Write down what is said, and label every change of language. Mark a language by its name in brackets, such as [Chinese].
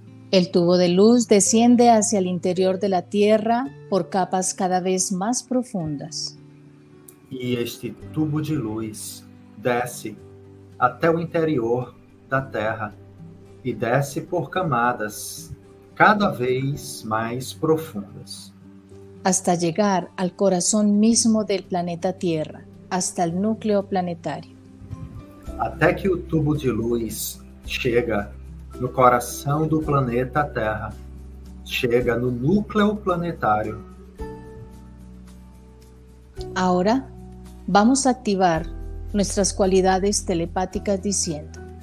[Spanish] El tubo de luz desciende hacia el interior de la Tierra por capas cada vez más profundas. [Portuguese] Y este tubo de luz desce até o interior da Terra e desce por camadas cada vez mais profundas. [Spanish] Hasta llegar al corazón mismo del planeta Tierra, hasta el núcleo planetario. [Portuguese] Até que o tubo de luz chega no coração do planeta Terra, chega no núcleo planetário. Agora, vamos ativar nossas qualidades telepáticas dizendo.